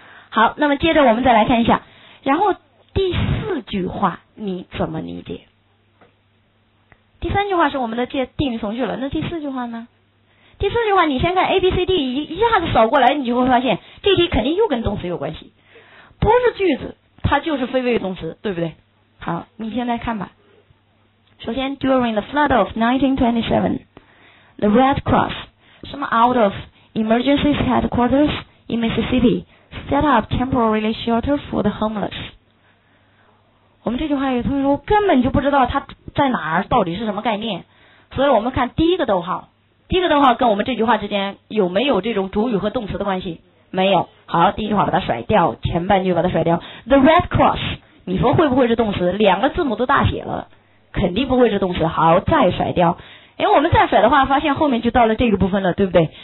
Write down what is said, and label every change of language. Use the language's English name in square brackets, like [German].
[Chinese] 好，那么接着我们再来看一下，然后第四句话你怎么理解，第三句话是我们的定语从句了，那第四句话呢，第四句话你先看 ABCD 一下子扫过来，你就会发现这题肯定又跟动词有关系，不是句子它就是非谓语动词，对不对？好，你先来看吧，首先 [English] during the flood of 1927 the Red Cross some out of emergency headquarters in Mississippi set up temporary shelter for the homeless。 [Chinese] 我们这句话有同学说根本就不知道它在哪儿到底是什么概念，所以我们看第一个逗号，第一个逗号跟我们这句话之间有没有这种主语和动词的关系，没有，好，第一句话把它甩掉，前半句把它甩掉， the Red Cross 你说会不会是动词，两个字母都大写了，肯定不会是动词，好，再甩掉，因为我们再甩的话发现后面就到了这个部分了，对不对？